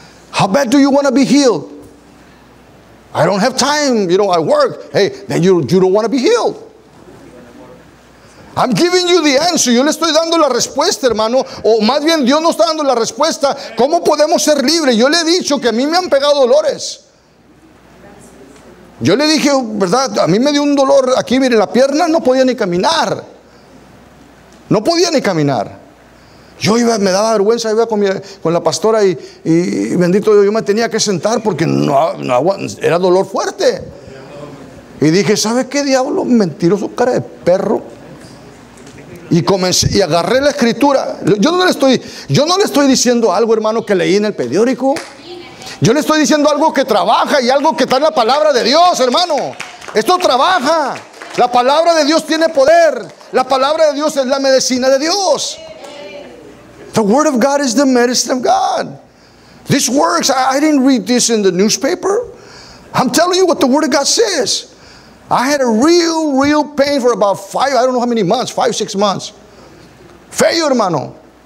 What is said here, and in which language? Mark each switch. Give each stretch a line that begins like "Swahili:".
English: How bad do you want to be healed? I don't have time. You know, I work. Hey, then you don't want to be healed. I'm giving you the answer.
Spanish: Yo le estoy dando la respuesta, hermano. O más bien, Dios nos está dando la respuesta. ¿Cómo podemos ser libres? Yo le he dicho que a mí me han pegado dolores. Yo le dije, ¿verdad? A mí me dio un dolor aquí, mire, la pierna. No podía ni caminar. No podía ni caminar. Yo iba, me daba vergüenza, iba con la pastora y bendito Dios, yo me tenía que sentar porque no era dolor fuerte. Y dije, ¿sabe qué diablo? Mentiroso, cara de perro. Y comencé y agarré la escritura. Yo no le estoy diciendo algo, hermano, que leí en el periódico. Yo le estoy diciendo algo que trabaja y algo que está en la palabra de Dios, hermano. Esto trabaja. La palabra de Dios tiene poder. La palabra de Dios es la medicina de Dios.
English: The word of God is the medicine of God. This works. I didn't read this in the newspaper. I'm telling you what the word of God says. I had a real, real pain for about five, I don't know how many months, five, 6 months.
Spanish: Feo, hermano.